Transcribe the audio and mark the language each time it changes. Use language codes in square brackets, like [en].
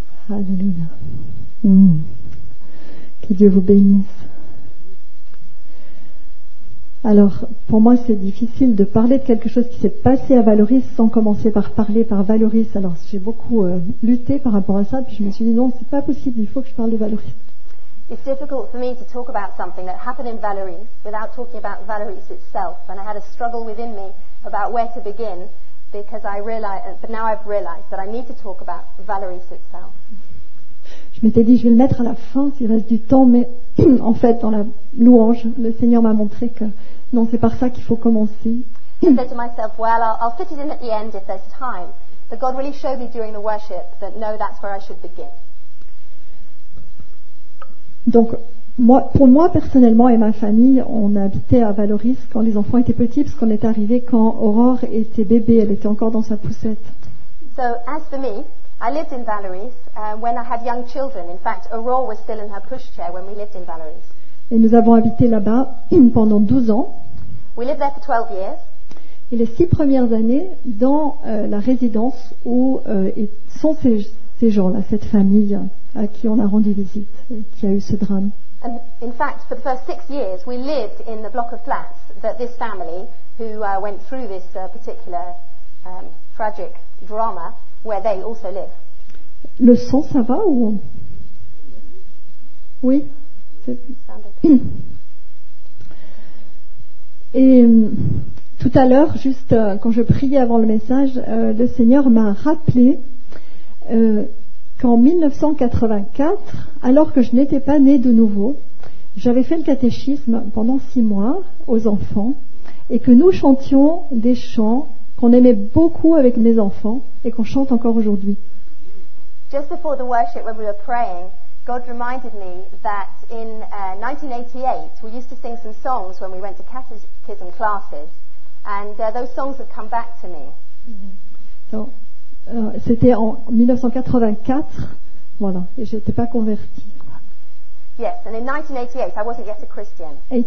[fr] Alléluia. Que Dieu vous bénisse. Alors, pour moi, c'est difficile de parler de quelque chose qui s'est passé à Valoris sans commencer par parler par Valoris. Alors, j'ai beaucoup lutté par rapport à ça, puis je me suis dit, non, c'est pas possible, il faut que je parle de Valoris. [en] It's difficult for me to talk about something that happened in Valoris without talking about Valoris itself. And I had a struggle within me about where to begin, because I realized, but now I've realized that I need to talk about Valoris itself. [fr] Je m'étais dit, je vais le mettre à la fin s'il reste du temps, mais en fait, dans la louange, le Seigneur m'a montré que non, c'est par ça qu'il faut commencer. [en] I said to myself, well, I'll fit it in at the end if there's time. But God really showed me during the worship that no, that's where I should begin. [fr] Donc, moi, pour moi personnellement et ma famille, on habitait à Valoris quand les enfants étaient petits, parce qu'on est arrivé quand Aurore était bébé, elle était encore dans sa poussette. [en] So, as for me, I lived in Valoris when I had young children. In fact, Aurore was still in her pushchair when we lived in Valoris. [fr] Et nous avons habité là-bas pendant 12 ans. [en] We lived there for 12 years. [fr] Et les 6 premières années dans la résidence où sont ces gens-là, cette famille à qui on a rendu visite et qui a eu ce drame. [en] And in fact, for the first 6 years, we lived in the block of flats that this family who went through this particular tragic drama, where they also live. [fr] Le son, ça va ou... Oui. Et tout à l'heure, juste quand je priais avant le message, le Seigneur m'a rappelé qu'en 1984, alors que je n'étais pas née de nouveau, j'avais fait le catéchisme pendant 6 mois aux enfants et que nous chantions des chants qu'on aimait beaucoup avec mes enfants et qu'on chante encore aujourd'hui. [en] Just before the worship, when we were praying, God reminded me that in 1988, we used to sing some songs when we went to catechism classes, and those songs have come back to me. [fr] Donc, c'était en 1984, voilà, et je n'étais pas convertie. [en] Yes, and in 1988, I wasn't yet a Christian.